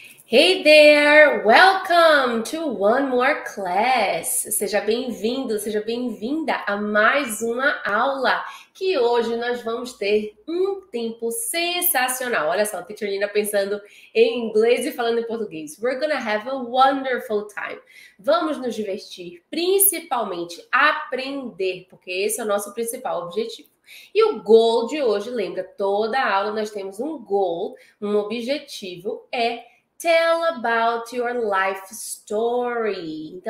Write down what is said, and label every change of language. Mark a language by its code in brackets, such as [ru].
[en] Hey there, welcome to one more class. [pt] Seja bem-vindo, seja bem-vinda a mais uma aula que hoje nós vamos ter um tempo sensacional. Olha só, a Teacher Nina pensando em inglês e falando em português. [en] We're gonna have a wonderful time. [pt] Vamos nos divertir, principalmente aprender, porque esse é o nosso principal objetivo. E o goal de hoje, lembra, toda aula nós temos um goal, um objetivo é [en] tell about your life story.